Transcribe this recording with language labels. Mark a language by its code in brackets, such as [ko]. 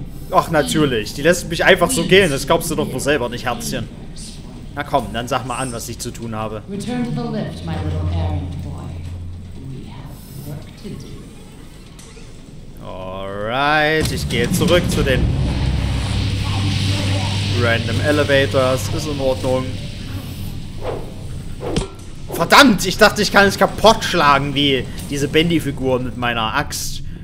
[de] Ach natürlich, die lässt mich einfach so gehen, das glaubst du doch wohl selber nicht, Herzchen. Na komm, dann sag mal an, was ich zu tun habe. [en] Return to the lift, my little errand boy. We have work to do. [de] Alright, ich gehe zurück zu den [en] random elevators. [de] Ist in Ordnung. Verdammt, ich dachte, ich kann es kaputt schlagen, wie diese Bendy-Figur mit meiner Axt.